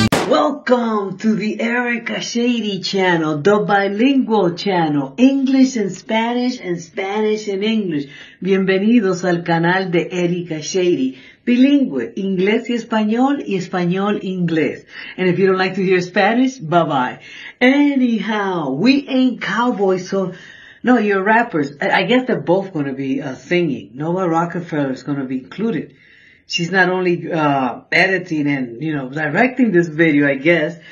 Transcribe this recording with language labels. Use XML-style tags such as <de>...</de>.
<en>Welcome to the Erica Shady channel, the bilingual channel, English and Spanish and Spanish and English.</en> <es>Bienvenidos al canal de Erica Shady, bilingüe, inglés y español inglés.</es> <en>And if you don't like to hear Spanish, bye bye. Anyhow, we ain't cowboys, so, no, you're rappers. I guess they're both going to be singing. Noah Rockefeller is going to be included. She's not only editing and, you know, directing this video, I guess.</en>